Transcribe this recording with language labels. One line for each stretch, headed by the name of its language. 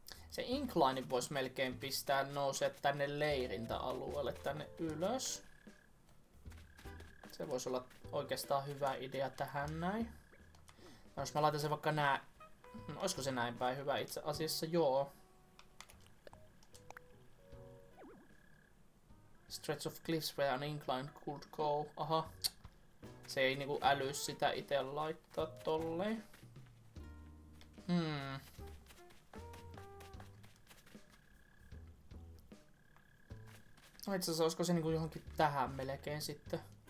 Finnish: Se incline vois melkein pistää nousee tänne leirintäalueelle, tänne ylös. Se voisi olla oikeastaan hyvä idea tähän näin. Jos mä laitan sen vaikka nää... No, olisiko se näin päin hyvä itse asiassa? Joo.
English: Stretch of cliffs where an incline could go.
Finnish: Aha. Se ei niinku äly sitä ite laittaa tolleen. No itse asiassa olisiko se niinku johonkin tähän melkein sitten?